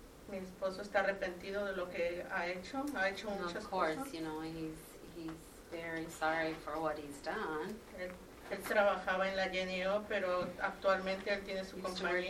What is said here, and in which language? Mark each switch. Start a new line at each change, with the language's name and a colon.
Spanish: Mi esposo está arrepentido de lo que ha hecho muchas cosas.
English: Of course, you know, he's very sorry for what he's done.
Spanish: Él trabajaba en la Genio, pero actualmente él tiene su compañía.